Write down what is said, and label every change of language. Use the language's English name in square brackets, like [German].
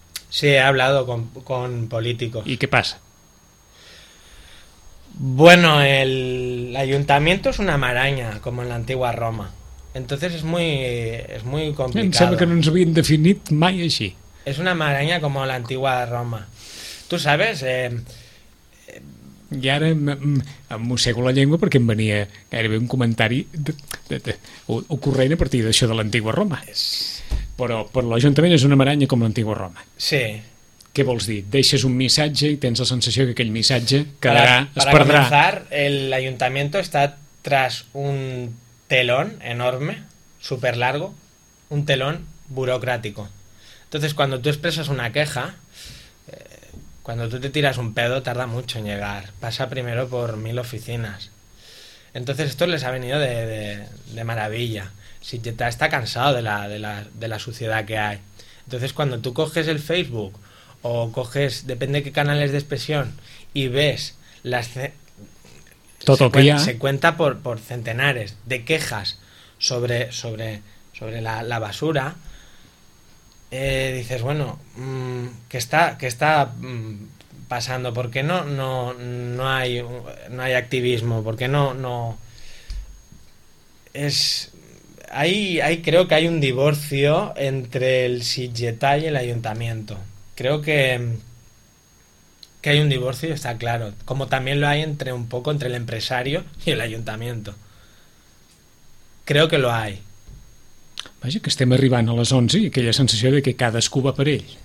[Spanish] Sí, he hablado con políticos. ¿Y qué pasa? Bueno, el ayuntamiento es una maraña, como en la antigua Roma. Entonces es muy complicado. [Catalan] Em sembla que no ens havien definit mai així. [Spanish] Es una maraña como la antigua Roma. Tú sabes... [Catalan] I ara em mossego la llengua perquè em venia gairebé un comentari ocorrent a partir d'això de l'antigua Roma. Però l'Ajuntament és una maranya com l'antigua Roma. Sí. Què vols dir? Deixes un missatge i tens la sensació que aquell missatge quedarà, es perdrà. Per començar, l'Ajuntament està [Spanish] tras un telón enorme, superlargo, un telón burocràtico. Entonces, cuando tú expresas una queja, cuando tú te tiras un pedo, tarda mucho en llegar. Pasa primero por 1000 oficinas. Entonces, esto les ha venido de maravilla. Sitgetà está cansado de la suciedad que hay. Entonces, cuando tú coges el Facebook o coges, depende de qué canales de expresión, y ves las... Se cuenta por centenares de quejas sobre la basura... dices, bueno, ¿qué está pasando? ¿Por qué no hay activismo? ¿Por qué no es ahí creo que hay un divorcio entre el Sitgetà y el ayuntamiento. Creo que hay un divorcio, está claro, como también lo hay entre el empresario y el ayuntamiento. Creo que lo hay. [Catalan] Vaja, que estem arribant a les 11 i aquella sensació de que cadascú va per ell.